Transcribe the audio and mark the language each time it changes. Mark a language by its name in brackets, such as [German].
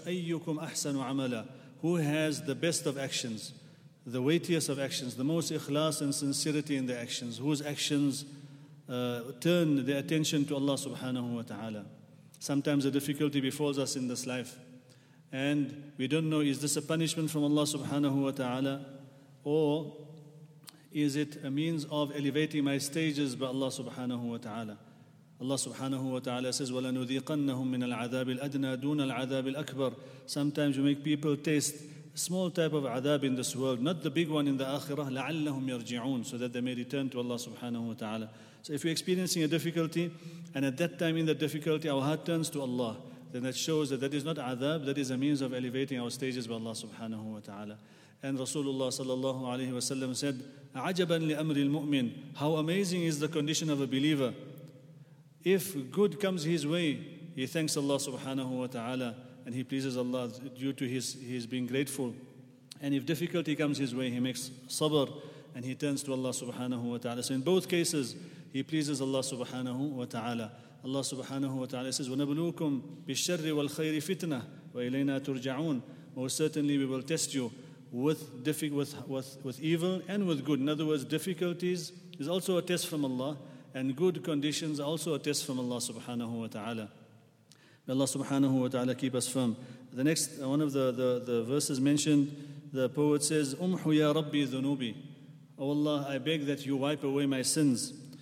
[Arabic] أَيُّكُمْ أَحْسَنُ عَمَلًا, [English] who has the best of actions, the weightiest of actions, the most ikhlas and sincerity in the actions, whose actions turn the attention to Allah subhanahu wa ta'ala. Sometimes a difficulty befalls us in this life, and we don't know, is this a punishment from Allah subhanahu wa ta'ala, or is it a means of elevating my stages by Allah subhanahu wa ta'ala? Allah subhanahu wa ta'ala says, [Arabic] وَلَنُذِيقَنَّهُمْ مِنَ الْعَذَابِ الْأَدْنَى دُونَ الْعَذَابِ الْأَكْبَرِ. [English] Sometimes we make people taste a small type of adab in this world, not the big one in the akhirah, [Arabic] لَعَلَّهُمْ يَرْجِعُونَ, [English] so that they may return to Allah subhanahu wa ta'ala. So if you're experiencing a difficulty, and at that time in the difficulty our heart turns to Allah, then that shows that that is not adab, that is a means of elevating our stages by Allah subhanahu wa ta'ala. And Rasulullah sallallahu alayhi wa sallam said, [Arabic] عَجَبًا لِأَمْرِ الْمُؤْمِنِ, [English] how amazing is the condition of a believer. If good comes his way, he thanks Allah subhanahu wa ta'ala, and he pleases Allah due to his being grateful. And if difficulty comes his way, he makes sabr, and he turns to Allah subhanahu wa ta'ala. So in both cases, he pleases Allah subhanahu wa ta'ala. Allah subhanahu wa ta'ala says, [Arabic] وَنَبْلُوكُمْ بِالشَّرِّ وَالْخَيْرِ فِتْنَةً وَإِلَيْنَا تُرْجَعُونَ. [English] Most certainly we will test you with evil and with good. In other words, difficulties is also a test from Allah, and good conditions also a test from Allah subhanahu wa ta'ala. May Allah subhanahu wa ta'ala keep us firm. The next one of the verses mentioned, the poet says, [Arabic] أُمْحُ يَا رَبِّي ذُنُوبِي, [English] O Allah, I beg that you wipe away my sins.